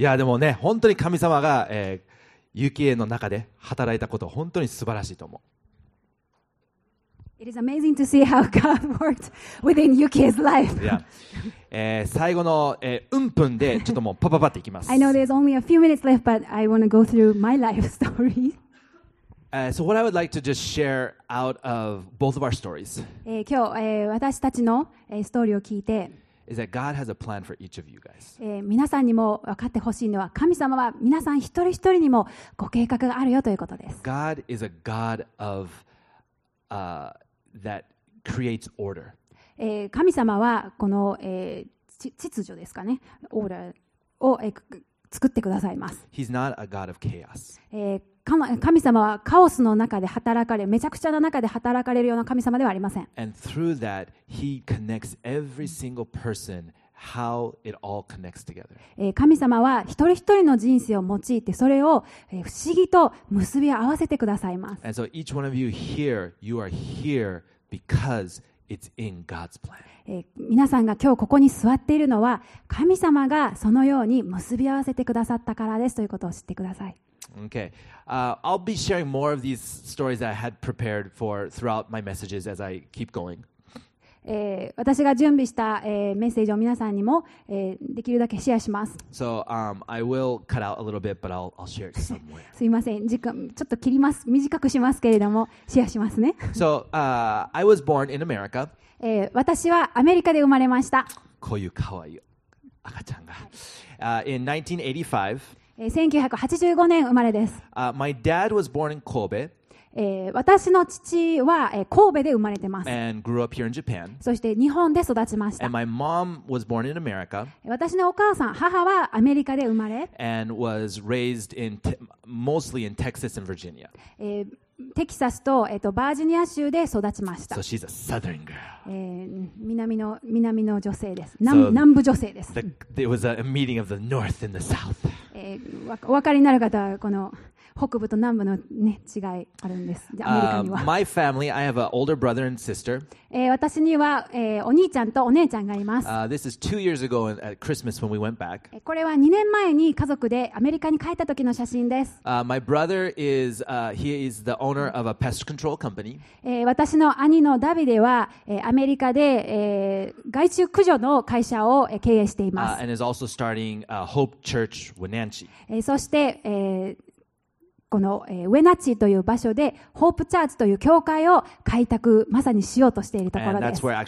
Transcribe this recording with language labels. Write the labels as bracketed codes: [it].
[ja] いやでもね、本当に神様が、ユキエの中で働いたこと本当に素晴らしいと思う。 [en] It is amazing to see how God worked within Yuki's life. Yeah. [ja] 最後の、分でちょっともうパパパっていきます。 [en] I know there's only a few minutes left, but I want to go through my life story. So what I would like to just share out of both of our stories. [ja] 今日、私たちの、ストーリーを聞いて、 [en] is that God has a plan for each of you guys. [ja] 皆さんにも分かってほしいのは、神様は皆さん一人一人にもご計画があるよということです。 [en] God is a God of that creates order. [ja] 神様はこの、秩序ですかね、オーダーを、作ってくださいます。 [en] He's not a God of chaos. [ja] 神様はカオスの中で働かれ、めちゃくちゃな中で働かれるような神様ではありません。 [en] And through that, he connects every single person, how it all connects together. [ja] 神様は一人一人の人生を用いて、それを不思議と結び合わせてくださいます。 [en] And so each one of you here, you are here because it's in God's plan. [ja] 皆さんが今日ここに座っているのは、神様がそのように結び合わせてくださったからですということを知ってください。 [en] Okay. I'll be sharing more of these stories that I had prepared for throughout my messages as I keep going. [ja] 私が準備した、メッセージを皆さんにも、できるだけシェアします。 [en] So, I will cut out a little bit, but I'll share it somewhere. [ja] すいません。時間、ちょっと切ります。短くしますけれども、シェアしますね。 [en] So, I was born in America. [ja] 私はアメリカで生まれました。こういう可愛い赤ちゃんが。 [en] In 1985, [ja] 1985年生まれです。 [en] My dad was born in Kobe. [ja] 私の父は、神戸で生まれてます。 [en] And grew up here in Japan. [ja] そして日本で育ちました。 [en] And my mom was born in America. [ja] 私のお母さん、母はアメリカで生まれ。 [en] And was raised in mostly in Texas and Virginia. [ja] テキサスと、バージニア州で育ちました。 [en] So she's a southern girl. [ja] 南の女性です。南部女性です。 So there was a meeting of the north and the south. お分かりになる方はこの北部と南部の、ね、違いあるんです。アメリカには。 [en] My family, I have an older brother and sister. [ja] 私には、お兄ちゃんとお姉ちゃんがいます。 [en] This is two years ago at Christmas when we went back. [ja] これは2年前に家族でアメリカに帰った時の写真です。 [en] My brother is, he is the owner of a pest control company. [ja] 私の兄のダビデは、アメリカで、害虫駆除の会社を経営しています。 [en] And is also starting a Hope Church Wenatchee. [ja] そして、このウェナチという場所でホープチャーチという教会を開拓まさにしようとしているところです。